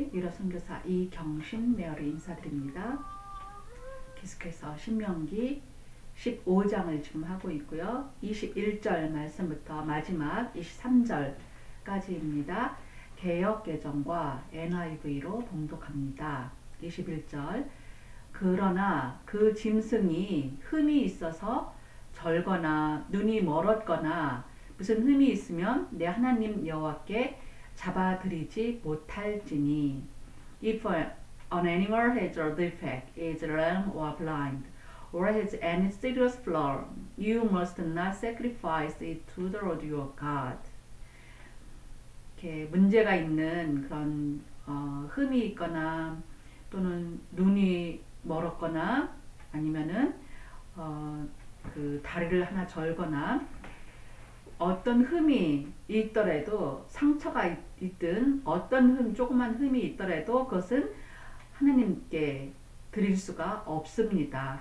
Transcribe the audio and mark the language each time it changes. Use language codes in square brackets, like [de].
[ko] 선교사 이경신 메어리 인사드립니다. 계속해서 신명기 15장을 지금 하고 있고요. 21절 말씀부터 마지막 23절까지입니다. 개역개정과 NIV로 봉독합니다. 21절 그러나 그 짐승이 흠이 있어서 절거나 눈이 멀었거나 무슨 흠이 있으면 내 하나님 여호와께 잡아드리지 못할지니 [en] If an animal has a defect, is lame or blind, or has any serious flaw, you must not sacrifice it to the Lord your God. [ko] 이렇게 문제가 있는 그런 흠이 있거나 또는 눈이 멀었거나 아니면은 그 다리를 하나 절거나 어떤 흠이 있더라도 상처가 있든 어떤 흠 조그만 흠이 있더라도 그것은 하나님께 드릴 수가 없습니다.